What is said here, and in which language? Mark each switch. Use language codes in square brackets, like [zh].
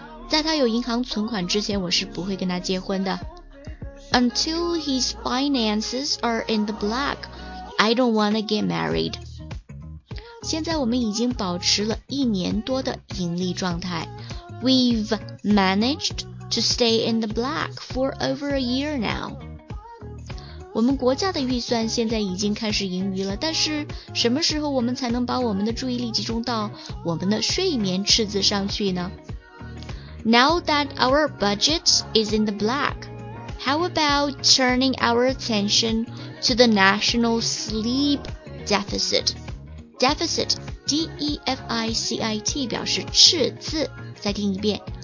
[zh] 在他有银行存款之前，我是不会跟他结婚的。 [en] Until his finances are in the black, I don't want to get married. [zh] 现在我们已经保持了一年多的盈利状态。 [en] We've managed to stay in the black for over a year now. [zh] 我们国家的预算现在已经开始盈余了，但是什么时候我们才能把我们的注意力集中到我们的睡眠赤字上去呢？ [en] Now that our budget is in the black, how about turning our attention to the national sleep deficit? Deficit, D-E-F-I-C-I-T, [zh] 表示赤字。再听一遍。